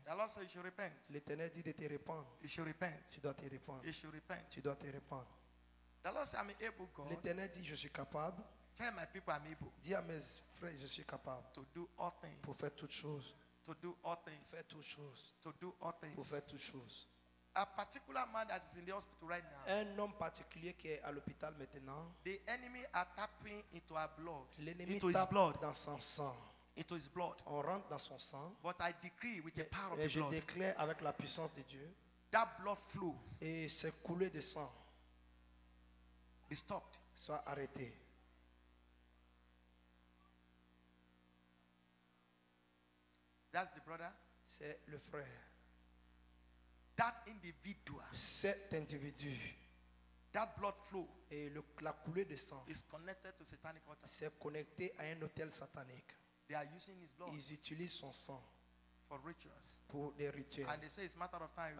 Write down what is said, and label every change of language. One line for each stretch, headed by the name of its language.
English: The Lord says you should repent.
French: L'Éternel dit de te repentir.
English: You should repent.
French: Tu dois te repentir.
English: You should repent.
French: Tu dois te repentir.
English: The Lord says I'm able, God.
French: L'Éternel dit je suis capable.
English: Tell my people I'm able.
French: Dis à mes frères je suis capable.
English: To do all things.
French: Pour faire toutes choses.
English: To do all things.
French: Faire toutes choses.
English: To do all things.
French: Pour faire toutes choses.
English: A particular man that is in the hospital right now.
French: Un homme particulier qui est à l'hôpital maintenant.
English: The enemy are tapping into our blood.
French: L'ennemi
English: into his blood.
French: Dans son sang.
English: Into his blood.
French: On rentre dans son sang.
English: But I decree with
French: et,
English: the power of
French: et
English: the blood.
French: Je déclare avec la puissance de Dieu.
English: That blood flow.
French: Et se couler de sang.
English: Be stopped.
French: Soit arrêté.
English: That's the brother.
French: C'est le frère.
English: That individual,
French: cet individu,
English: that blood flow,
French: et le, la coulée de sang,
English: is connected to satanic altar.
French: C'est connecté à un autel satanique.
English: They are using his blood.
French: Ils utilisent son sang
English: for rituals.
French: Pour des rituels.
English: And they say it's a matter of time.